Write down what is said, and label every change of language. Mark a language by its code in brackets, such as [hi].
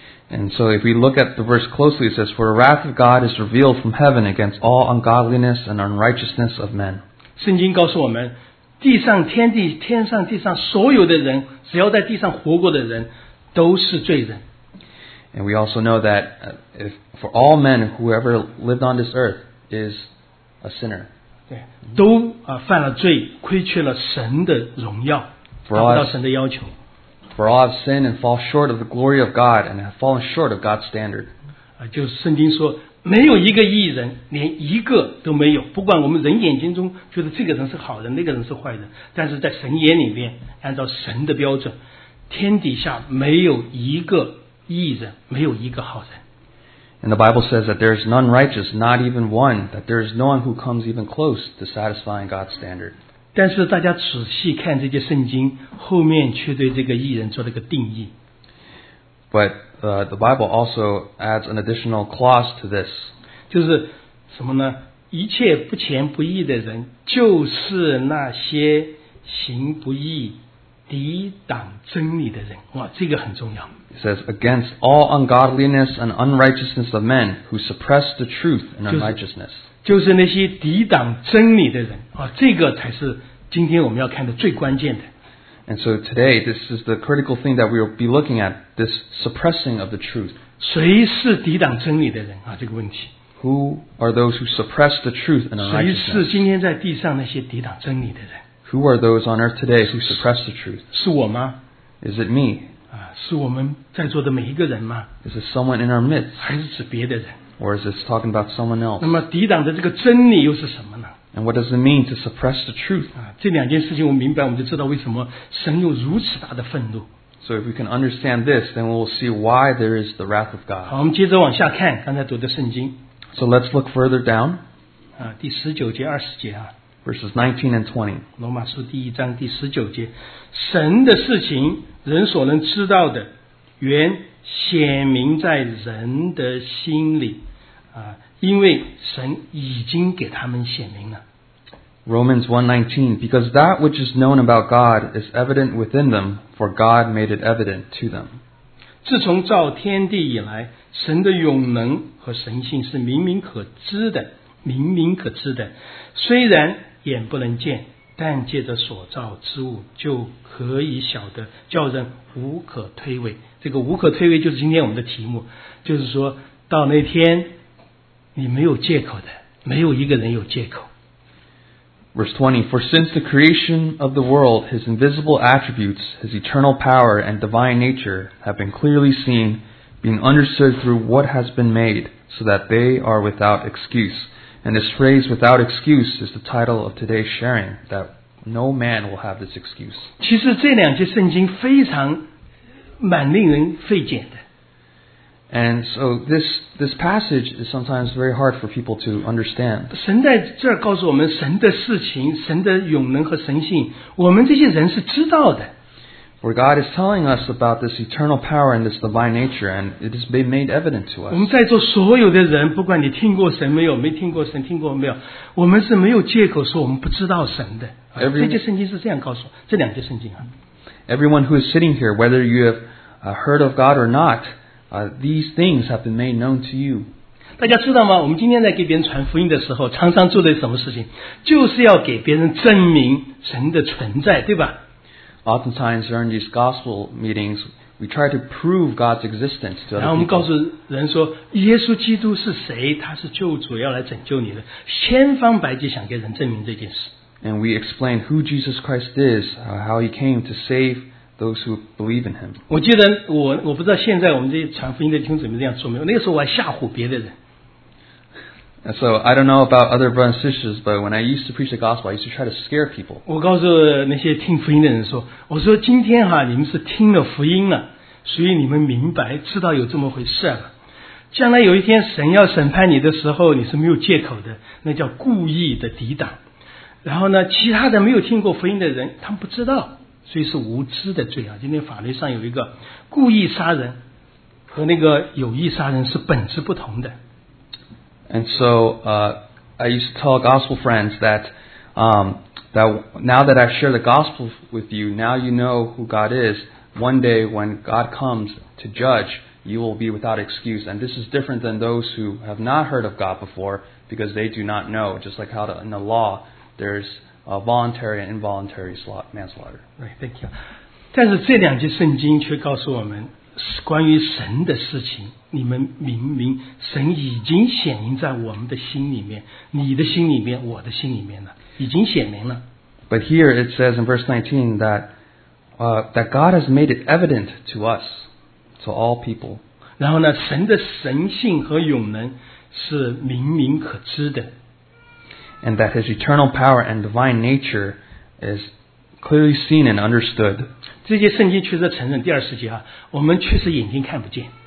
[en] And so if we look at the verse closely, it says, For the wrath of God is revealed from heaven against all ungodliness and unrighteousness of men. [zh] 圣经告诉我们，地上天地，天上地上所有的人，只要在地上活过的人，都是罪人。 [en] And we also know that if for all men, whoever lived on this earth is a sinner. [zh] 对，都犯了罪，亏缺了神的荣耀，达不到神的要求。 [en] For all have sinned and fall short of the glory of God and have fallen short of God's standard. [zh] 就是圣经说没有一个义人连一个都没有不管我们人眼睛中觉得这个人是好人那个人是坏人但是在神眼里面按照神的标准天底下没有一个义人没有一个好人 [en] And the Bible says that there is none righteous not even one that there is no one who comes even close to satisfying God's standard. [zh] 但是大家仔细看这些圣经后面却对这个义人做了个定义 [en] ButThe Bible also adds an additional clause to this. [zh] 就是什么呢？一切不虔不义的人，就是那些行不义、抵挡真理的人。哇，这个很重要。 [en] It says against all ungodliness and unrighteousness of men who suppress the truth and unrighteousness. [zh] 就是那些抵挡真理的人啊，这个才是今天我们要看的最关键的。 [en] And so today, this is the critical thing that we will be looking at, this suppressing of the truth. [zh] 谁是抵挡真理的人啊？这个问题。 [en] Who are those who suppress the truth and unrighteousness? [zh] 谁是今天在地上那些抵挡真理的人 [en] ？Who are those on earth today who suppress the truth? [zh] 是我吗 [en] ？Is it me? [zh] 啊，是我们在座的每一个人吗 [en] ？Is it someone in our midst? [zh] 还是指别的人 [en] ？Or is this talking about someone else? [zh] 那么抵挡的这个真理又是什么呢？ [en] And what does it mean to suppress the truth? [zh] 这两件事情我明白，我们就知道为什么神有如此大的愤怒。 [en] So if we can understand this, then we'll see why there is the wrath of God. [zh] 好，我们接着往下看刚才读的圣经。 [en] So let's look further down. [zh] 第十九节、二十节啊。 [en] Verses 19 and 20. [zh] 罗马书第一章第十九节，神的事情人所能知道的，原显明在人的心里。因为神已经给他们显明了。 [en] Romans 1:19 Because that which is known about God is evident within them, for God made it evident to them. [zh] 自从造天地以来，神的永能和神性是明明可知的，明明可知的。虽然眼不能见，但借着所造之物就可以晓得，叫人无可推诿。这个无可推诿就是今天我们的题目，就是说到那天。你没有借口的，没有一个人有借口。 [en] Verse 20, For since the creation of the world, his invisible attributes, his eternal power and divine nature have been clearly seen, being understood through what has been made, so that they are without excuse. And this phrase, without excuse, is the title of today's sharing, that no man will have this excuse. [zh] 其实这两节圣经非常蛮令人费解的。 [en] And so this passage is sometimes very hard for people to understand. [zh] 神在这儿告诉我们神的事情，神的永能和神性，我们这些人是知道的。 [en] For God is telling us about this eternal power and this divine nature, and it has been made evident to us. [zh] 我们在座所有的人，不管你听过神没有，没听过神，听过没有，我们是没有借口说我们不知道神的。这节圣经是这样告诉我，这两节圣经啊。 [en] Everyone who is sitting here, whether you have heard of God or not. These things have been made known to you. [zh] 大家知道吗？我们今天在给别人传福音的时候，常常做的什么事情，就是要给别人证明神的存在，对吧 [en] ？Oftentimes during these gospel meetings, we try to prove God's existence to other people. [zh] 然后我们告诉人说，耶稣基督是谁？他是救主，要来拯救你的，千方百计想给人证明这件事。 [en] And we explain who Jesus Christ is, how he came to save. Those who believe in him. [zh] 我记得我不知道现在我们这些传福音的弟兄姊妹这样说没有。那个时候我还吓唬别的人。 [en] And so I don't know about other brothers and sisters, but when I used to preach the gospel, I used to try to scare people. [zh] 我告诉那些听福音的人说，我说今天哈，你们是听了福音了，所以你们明白知道有这么回事了。将来有一天神要审判你的时候，你是没有借口的，那叫故意的抵挡。然后呢，其他的没有听过福音的人，他们不知道，所以是无知的罪啊。今天法律上有一个故意杀人和那个有意杀人是本质不同的。 [en] And so, I used to tell gospel friends that, that now that I've shared the gospel with you, now you know who God is. One day when God comes to judge, you will be without excuse. And this is different than those who have not heard of God before because they do not know. Just like how in the law, there's a voluntary and involuntary manslaughter. Right, thank you. [zh] 但是这两节圣经却告诉我们关于神的事情。你们明明神已经显明在我们的心里面，你的心里面，我的心里面了，已经显明了。 [en] But here it says in verse 19 that, that God has made it evident to us, to all people. [zh] 然后呢，神的神性和永能是明明可知的。 [en] And that His eternal power and divine nature is clearly seen and understood. [zh] 这些圣经确实承认第二世纪啊，我们确实眼睛看不见。